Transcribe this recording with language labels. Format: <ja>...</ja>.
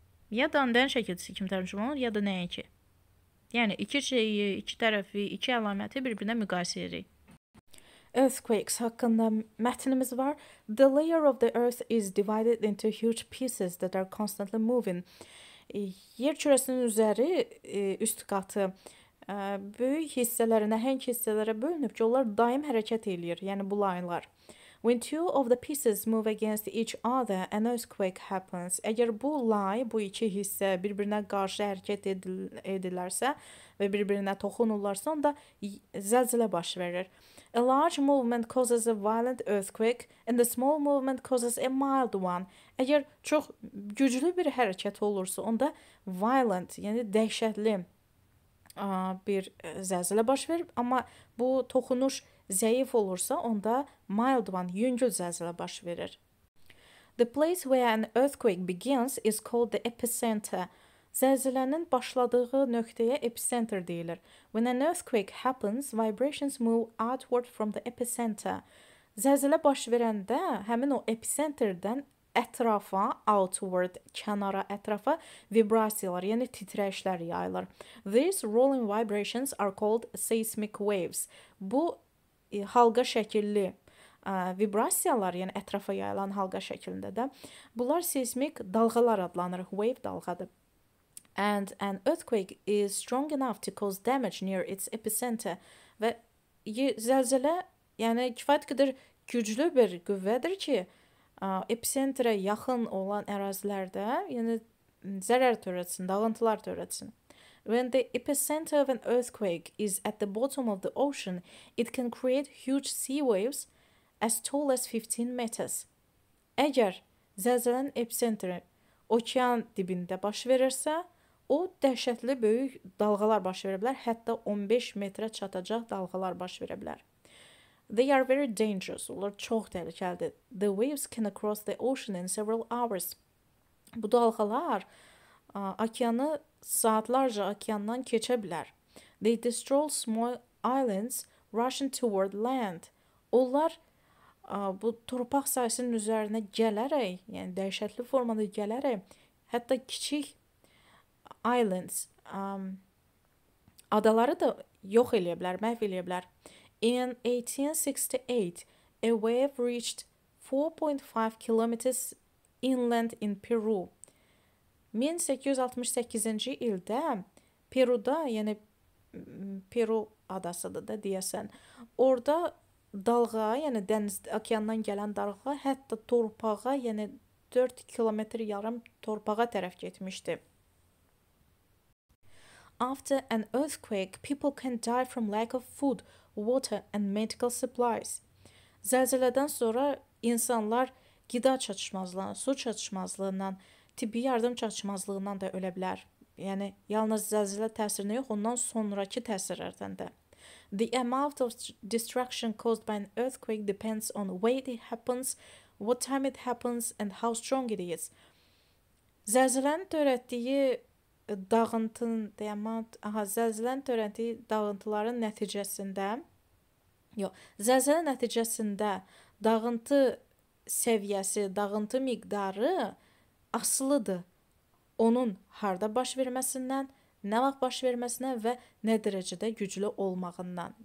<az>Ya dandən şəkildisi kimi tərcümə olunur, ya da nəinki. Yəni, iki şeyi, iki tərəfi, iki əlaməti bir-birinə müqayisə edirik. Earthquakes haqqında mətnimiz var.</az> <en>The layer of the earth is divided into huge pieces that are constantly moving.</en> <az>Yer kürəsinin üzəri, üst qatı, böyük hissələrə, nəhəng hissələrə bölünüb ki, onlar daim hərəkət edir, yəni bu laylar.</az> <en>When two of the pieces move against each other, an earthquake happens.</en> <az>Əgər bu lay, bu iki hissə bir-birinə qarşı hərəkət edirlərsə və bir-birinə toxunurlarsa, onda zəlzələ baş verir.</az> <en>A large movement causes a violent earthquake and a small movement causes a mild one.</en> <az>Əgər çox güclü bir hərəkət olursa, onda violent, yəni dəhşətli bir zəlzələ baş verir. Amma bu toxunuş zəif olursa, onda mild one, yüngül zəlzələ baş verir.</az> <en>The place where an earthquake begins is called the epicenter.</en> <az>Zəlzələnin başladığı nöqtəyə epicenter deyilir.</az> <en>When an earthquake happens, vibrations move outward from the epicenter.</en> <az>Zəlzələ baş verəndə həmin o epicenterdən ətrafa, outward, kənara, ətrafa vibrasiyalar, yəni titrəyişlər yayılır.</az> <en>These rolling vibrations are called seismic waves.</en> <az>Bu, halqa şəkilli vibrasiyalar, yəni ətrafa yayılan halqa şəklində də, bunlar seismik dalğalar adlanır, wave dalğadır.</az> <en>And an earthquake is strong enough to cause damage near its epicenter.</en> <az>Və zəlzələ, yəni kifayət qədər güclü bir qüvvədir ki, epicenterə yaxın olan ərazilərdə, yəni zərər törətsin, dağıntılar törətsin.</az> <en>When the epicenter of an earthquake is at the bottom of the ocean, it can create huge sea waves as tall as 15 meters.</en> <az>Əgər zəlzələn epicenteri okean dibində baş verirsə, o dəhşətli böyük dalğalar baş verə bilər, hətta 15 metrə çatacaq dalğalar baş verə bilər.</az> <en>They are very dangerous.</en> <az>Onlar çox təhlükəlidir.</az> <en>The waves can cross the ocean in several hours.</en> <az>Bu dalğalar okeanı saatlarca okeandan keçə bilər.</az> <en>They destroy small islands rushing toward land.</en> <az>Onlar bu torpaq sahəsinin üzərinə gələrək, yəni dəhşətli formada gələrək, hətta kiçik islands, adaları da yox eləyə bilər, məhv eləyə bilər.</az> <en>In 1868, a wave reached 4.5 kilometers inland in Peru.</en> <az>1868-ci ildə Peru-da, yəni Peru adasıdır da deyəsən, orada dalğa, yəni dəniz okeandan gələn dalğa hətta torpağa, yəni 4 kilometr yarım torpağa tərəf getmişdi.</az> <en>After an earthquake, people can die from lack of food, water and medical supplies.</en> <az>Zəlzələdən sonra insanlar qida çatışmazlığından, su çatışmazlığından, tibbi yardım çatışmazlığından da ölə bilər. Yəni, yalnız zəlzələ təsirinə yox, ondan sonraki təsirlərdən də.</az> <en>The amount of destruction caused by an earthquake depends on where it happens, what time it happens and how strong it is.</en> <az>Zəlzələnin törətdiyi dağıntıların nəticəsində zəlzələ nəticəsində dağıntı səviyyəsi, dağıntı miqdarı asılıdır onun harda baş verməsindən, nə vaxt baş verməsindən və nə dərəcədə güclü olmağından.</az>